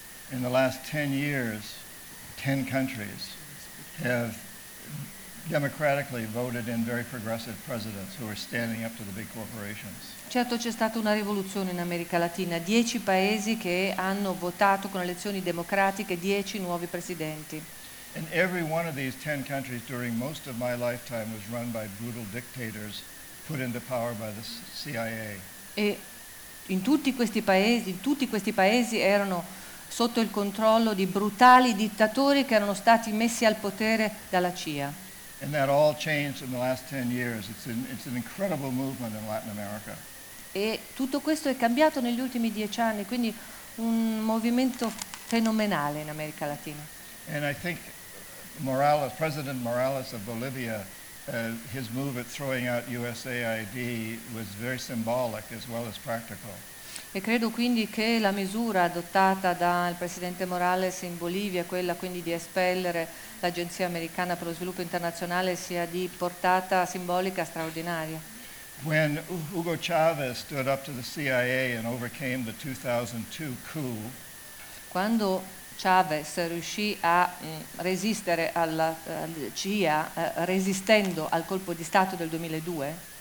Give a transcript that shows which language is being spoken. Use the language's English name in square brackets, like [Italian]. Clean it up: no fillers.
[English] In the last 10 years, 10 countries have democratically voted in very progressive presidents who are standing up to the big corporations. [Italian] Certo, c'è stata una rivoluzione in America Latina. 10 paesi che hanno votato con elezioni democratiche 10 nuovi presidenti. [English] And every one of these 10 countries during most of my lifetime was run by brutal dictators put into power by the CIA. [Italian] E in tutti questi paesi erano sotto il controllo di brutali dittatori che erano stati messi al potere dalla CIA. [English] And that all changed in the last 10 years. It's an incredible movement in Latin America. [Italian] E tutto questo è cambiato negli ultimi 10 anni, quindi un movimento fenomenale in America Latina. [English] And I think Morales, President Morales of Bolivia, his move at throwing out USAID was very symbolic as well as practical. [Italian] E credo quindi che la misura adottata dal presidente Morales in Bolivia, quella quindi di espellere l'Agenzia Americana per lo Sviluppo Internazionale, sia di portata simbolica straordinaria. [English] When Hugo Chavez stood up to the CIA and overcame the 2002 coup. [Italian] Quando Chavez riuscì a resistere alla CIA resistendo al colpo di stato del 2002.